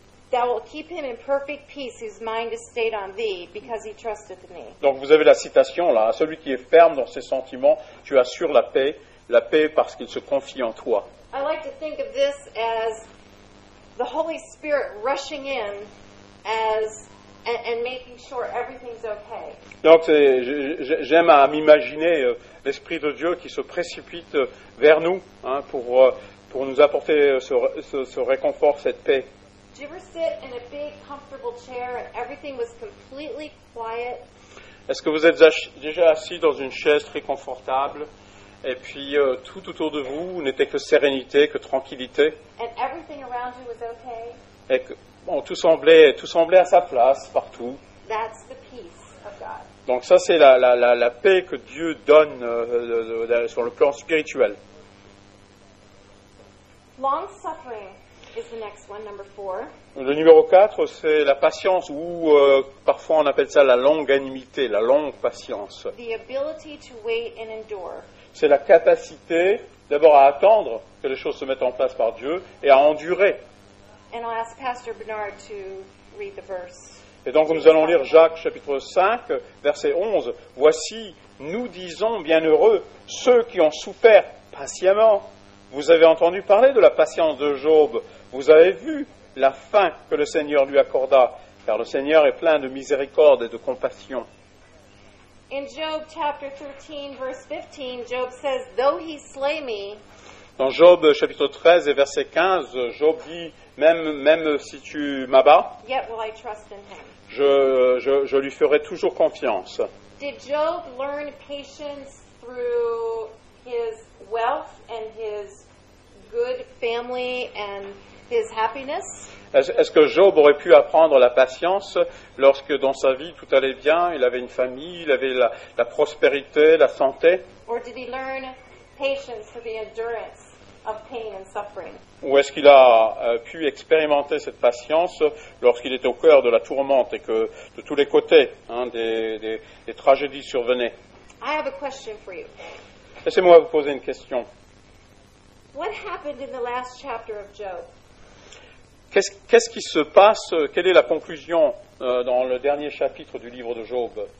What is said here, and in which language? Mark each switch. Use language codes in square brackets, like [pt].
[en] Thou wilt keep him in perfect peace whose mind is stayed on thee because he trusteth me. [fr] Donc vous avez la citation là, celui qui est ferme dans ses sentiments, tu assures la paix parce qu'il se confie en toi. [en] I like to think of this as the Holy Spirit rushing in and making sure everything's okay. [fr] Donc j'aime à m'imaginer l'Esprit de Dieu qui se précipite vers nous hein, pour nous apporter ce réconfort, cette paix. [en] Did you ever sit in a big, comfortable chair and everything was completely quiet? [fr] Est-ce que vous êtes déjà assis dans une chaise très confortable et puis tout autour de vous n'était que sérénité, que tranquillité? [en] And everything around you was okay? [fr] Et que bon, tout semblait à sa place partout. [en] That's the peace of God. [fr] Donc ça c'est la paix que Dieu donne sur le plan spirituel. [en] Long suffering. Is the next one, number four. [fr] Le numéro 4, c'est la patience, ou parfois on appelle ça la longanimité, la longue patience. [en] The ability to wait and endure. [fr] C'est la capacité d'abord à attendre que les choses se mettent en place par Dieu et à endurer. [en] And I'll ask Pastor Bernard to read the verse. [fr] Et donc nous allons lire Jacques chapitre 5, verset 11. Voici, nous disons bienheureux ceux qui ont souffert patiemment. Vous avez entendu parler de la patience de Job. Vous avez vu la fin que le Seigneur lui accorda, car le Seigneur est plein de miséricorde et de compassion. [en] In Job chapter 13, verse 15, Job says, "Though he slay me." [fr] Dans Job chapitre 13 et verset 15, Job dit, même si tu m'abats, [en] yet will I trust in him. [fr] Je lui ferai toujours confiance. [en] Did Job learn patience through his wealth and his good family and his happiness? [fr] Est-ce que Job aurait pu apprendre la patience lorsque dans sa vie tout allait bien, il avait une famille, il avait la prospérité, la santé? [en] Or did he learn patience through the endurance of pain and suffering. [fr] Ou est-ce qu'il a pu expérimenter cette patience lorsqu'il était au cœur de la tourmente et que de tous les côtés hein, des tragédies survenaient? [en] I have a question for you. [fr] Laissez-moi vous poser une question. [en] What happened in the last chapter of Job? [fr] Qu'est-ce qui se passe? Quelle est la conclusion dans le dernier chapitre du livre de Job?